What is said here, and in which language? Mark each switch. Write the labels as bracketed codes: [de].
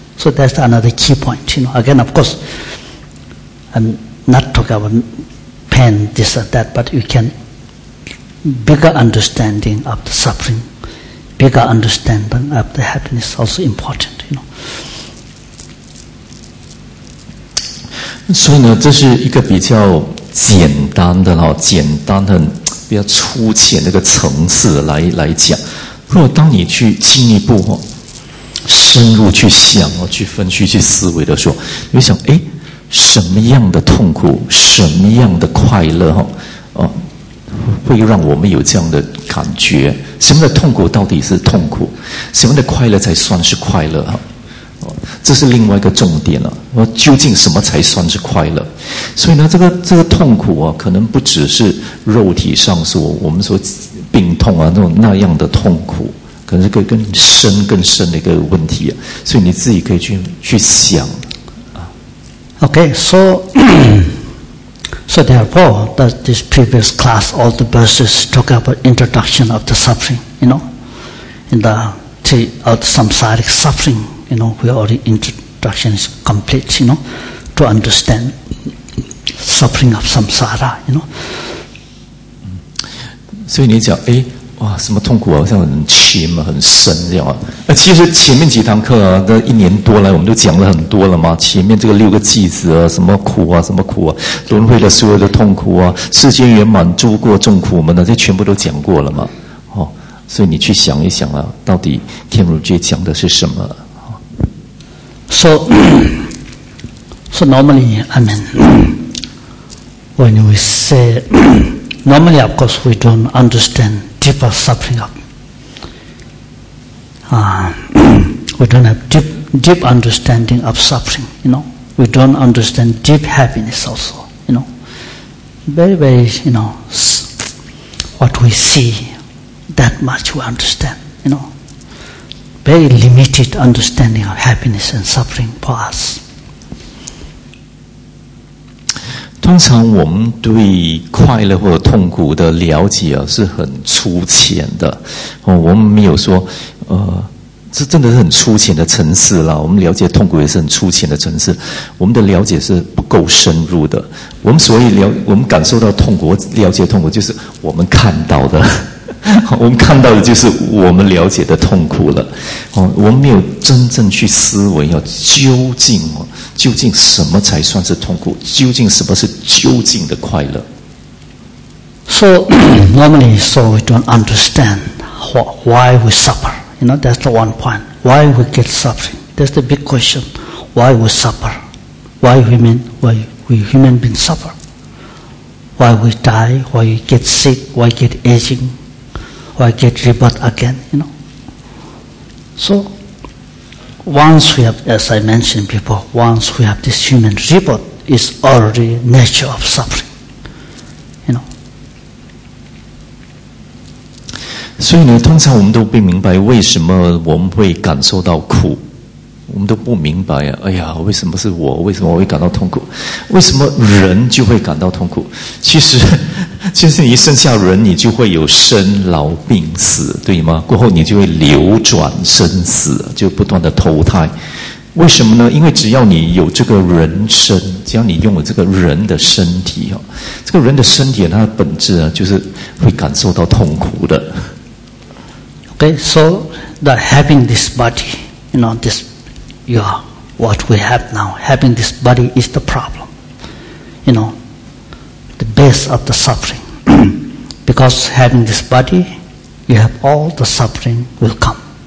[en] So that's another key point, you know. Again, of course, I'm not talking about pain, this or that, but you can... Bigger understanding of the suffering, bigger understanding of the happiness also important, you know. [zh] 所以呢，这是一个比较简单的简单的比较粗浅的一个层次来讲。如果当你去进一步深入去想去分析去思维的时候，你会想什么样的痛苦，什么样的快乐会让我们有这样的感觉，什么的痛苦到底是痛苦，什么的快乐才算是快乐这是另外一个重点究竟什么才算是快乐。所以呢，这个痛苦可能不只是肉体上我们说病痛那样的痛苦，可能是更深的一个问题所以你自己可以去想 [en] Okay, so So therefore, that this previous class, all the verses talk about introduction of the suffering, you know, in the tree of the samsaric suffering, you know, we already introduction is complete, you know, to understand suffering of samsara, you know. [zh] 所以你讲什么痛苦好像很深很深这样其实前面几堂课那一年多来我们都讲了很多了嘛，前面这个六个偈子什么苦什么苦轮回的所有的痛苦世间圆满诸过众苦们这全部都讲过了嘛所以你去想一想到底天如觉讲的是什么 [en] So normally, I mean, when we say, normally of course we don't understandDeeper suffering of. we don't have deep understanding of suffering, you know. We don't understand deep happiness also, very, very, you know, what we see, that much we understand, you know. Very limited understanding of happiness and suffering for us. [zh] 通常我们对快乐或痛苦的了解啊是很粗浅的，哦，我们没有说，这真的是很粗浅的层次了。我们了解痛苦也是很粗浅的层次，我们的了解是不够深入的。我们所以了，我们感受到痛苦，了解痛苦，就是我们看到的，我们看到的就是我们了解的痛苦了。哦，我们没有真正去思维啊，究竟哦。究竟什么才算是痛苦？究竟什么是究竟的快乐 [en] ？So normally, so we don't understand why we suffer. You know, that's the one point. Why we get suffering? That's the big question. Why we suffer? Why we human beings suffer? Why we die? Why we get sick? Why get aging? Why get rebirth again? You know. So. Once we have, as I mentioned before, once we have this human rebirth, it's already nature of suffering. You know. [zh] 所以呢，通常我们都不明白为什么我们会感受到苦，我们都不明白啊！哎呀，为什么是我？为什么我会感到痛苦？为什么人就会感到痛苦？其实你一生下人，你就会有生老病死，对吗？过后你就会流转生死，就不断的投胎。为什么呢？因为只要你有这个人身，只要你拥有这个人的身体，这个人的身体它的本质啊，就是会感受到痛苦的。 [en] Okay, so that having this body, you know, this you are what we have now. Having this body is the problem, you know. The base of the suffering. Because having this body, you have all the suffering will come.